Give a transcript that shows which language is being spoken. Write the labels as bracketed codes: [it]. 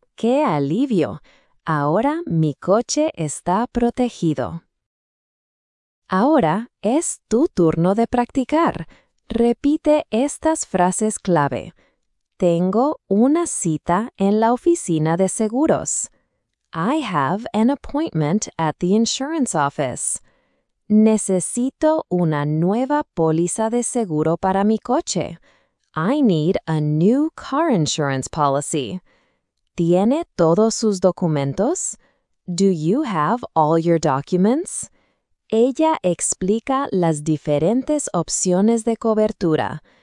[es] ¡Qué alivio! Ahora mi coche está protegido. Ahora es tu turno de practicar. Repite estas frases clave. Tengo una cita en la oficina de seguros. [en] I have an appointment at the insurance office. [es] Necesito una nueva póliza de seguro para mi coche. [en] I need a new car insurance policy. [es] ¿Tiene todos sus documentos? [en] Do you have all your documents? [es] Ella explica las diferentes opciones de cobertura.